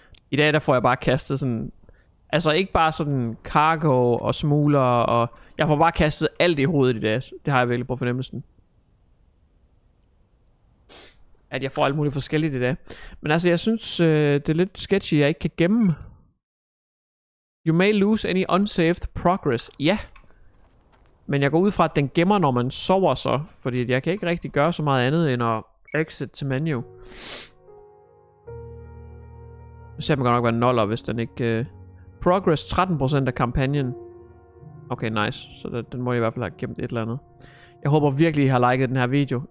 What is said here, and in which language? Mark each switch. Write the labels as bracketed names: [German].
[Danish] I dag der får jeg bare kastet sådan... Altså ikke bare sådan cargo og smugler og... Jeg får bare kastet alt i hovedet i dag. Det har jeg virkelig på fornemmelsen. At jeg får alt muligt forskelligt i dag. Men altså, jeg synes, det er lidt sketchy, jeg ikke kan gemme. [English] You may lose any unsaved progress. [Danish] Ja. Men jeg går ud fra, at den gemmer, når man sover så. Fordi jeg kan ikke rigtig gøre så meget andet end at exit til menu. Det ser man godt nok være noller, hvis den ikke... Progress 13% af kampagnen. [English] Okay, nice. [Danish] Så den må I i hvert fald have gemt et eller andet. Jeg håber virkelig, I har liket den her video.